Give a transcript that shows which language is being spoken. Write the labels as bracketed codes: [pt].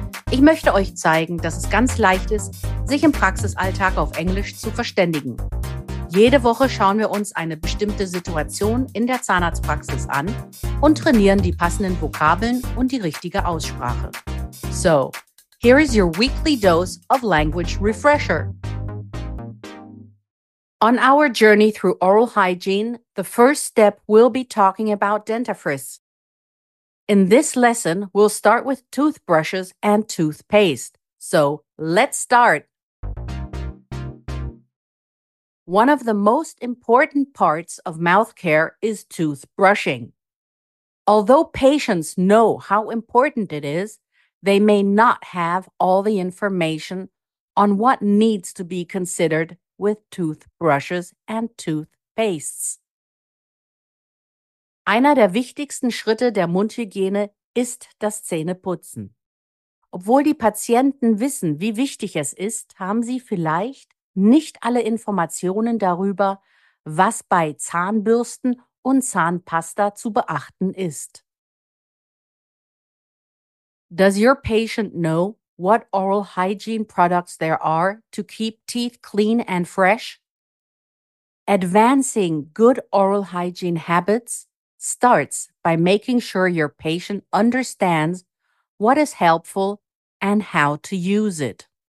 [de] Ich möchte euch zeigen, dass es ganz leicht ist, sich im Praxisalltag auf Englisch zu verständigen. Jede Woche schauen wir uns eine bestimmte Situation in der Zahnarztpraxis an und trainieren die passenden Vokabeln und die richtige Aussprache. [en] So, here is your weekly dose of language refresher. On our journey through oral hygiene, the first step will be talking about dentifrice. In this lesson, we'll start with toothbrushes and toothpaste. So, let's start! One of the most important parts of mouth care is toothbrushing. Although patients know how important it is, they may not have all the information on what needs to be considered with toothbrushes and toothpastes. [de] Einer der wichtigsten Schritte der Mundhygiene ist das Zähneputzen. Obwohl die Patienten wissen, wie wichtig es ist, haben sie vielleicht nicht alle Informationen darüber, was bei Zahnbürsten und Zahnpasta zu beachten ist. [en] Does your patient know what oral hygiene products there are to keep teeth clean and fresh? Advancing good oral hygiene habits starts by making sure your patient understands what is helpful and how to use it.